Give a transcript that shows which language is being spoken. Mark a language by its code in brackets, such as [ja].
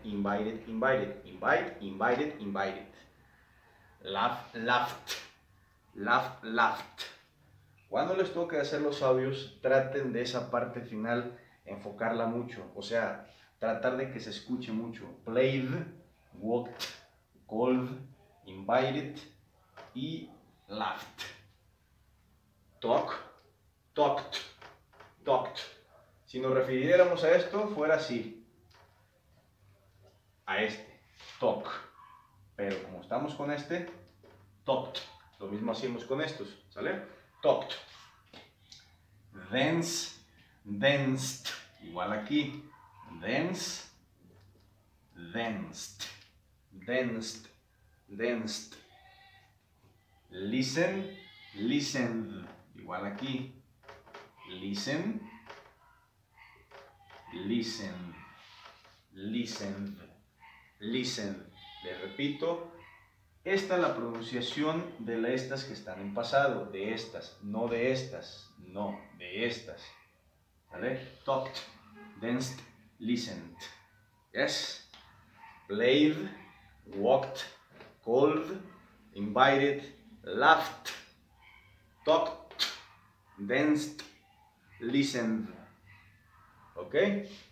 [en] Invited, invited. Invite, invited, invited. Laugh, laughed. Laugh, laughed. [es] Cuando les toque hacer los audios, traten de esa parte final enfocarla mucho. O sea, tratar de que se escuche mucho. [en] Played, walked, called, invited y laughed. Talk, talked, talked. [es] Si nos refiriéramos a esto, fuera así. A este, talk. Pero como estamos con este, talked. Lo mismo hacemos con estos, ¿sale? [en] Talked. Dance, danced. [es] Igual aquí. [en] Dance, danced. Danced, danced. Listen, listened. [es] Igual aquí. [en] Listen, listen, listen, listen. [es] Le repito, esta es la pronunciación de estas que están en pasado, de estas, no de estas, no, de estas. ¿Vale? [en] Talked, danced, listened. Yes? Played, walked, called, invited, laughed, talked, danced, listened. Okay?